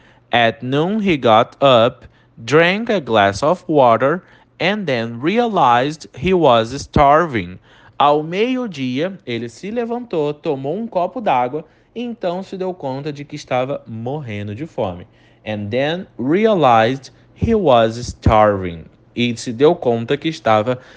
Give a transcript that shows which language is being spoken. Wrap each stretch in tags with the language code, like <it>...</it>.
<en>At noon he got up, drank a glass of water, and then realized he was starving.</en> <pt>Ao meio-dia, ele se levantou, tomou um copo d'água e então se deu conta de que estava morrendo de fome.</pt> <en>And then realized he was starving.</en> <pt>E se deu conta que estava</pt>